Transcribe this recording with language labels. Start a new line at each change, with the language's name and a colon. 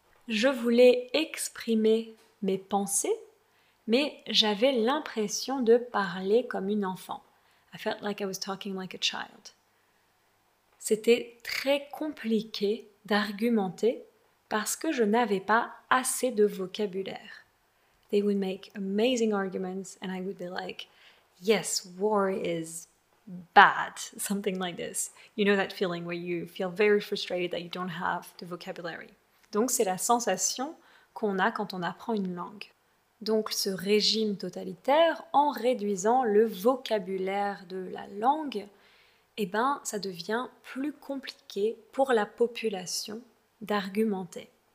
French: Je voulais exprimer mes pensées, mais j'avais l'impression de parler comme une enfant.
English: I felt like I was talking like a child.
French: C'était très compliqué d'argumenter parce que je n'avais pas assez de vocabulaire.
English: They would make amazing arguments and I would be like, yes, war is bad, something like this. You know that feeling where you feel very frustrated that you don't have the vocabulary.
French: Donc c'est la sensation qu'on a quand on apprend une langue. Donc ce régime totalitaire, en réduisant le vocabulaire de la langue, eh ben ça devient plus compliqué pour la population d'argumenter.